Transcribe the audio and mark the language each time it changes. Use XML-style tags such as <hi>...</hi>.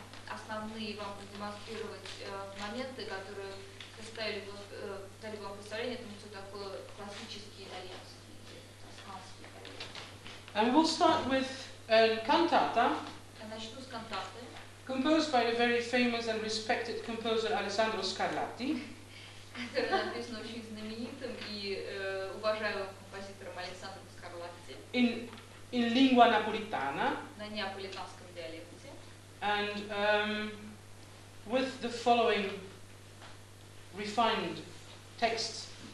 <ru>Основные вам продемонстрировать моменты, которые составили дали вам представление о том, что такое классический итальянский или тосканский итальянский.</ru> <en>And we'll start with cantata.</en> <ru>Я начну с кантаты.</ru> <en>Composed by the very famous and respected composer Alessandro Scarlatti.</en> <ru>Которая написана очень знаменитым и уважаемым композитором Александром Скарлатти.</ru> <it>In lingua napolitana.</it> <ru>На неаполитанском диалекте.</ru> <en>And with the following refined text.</en>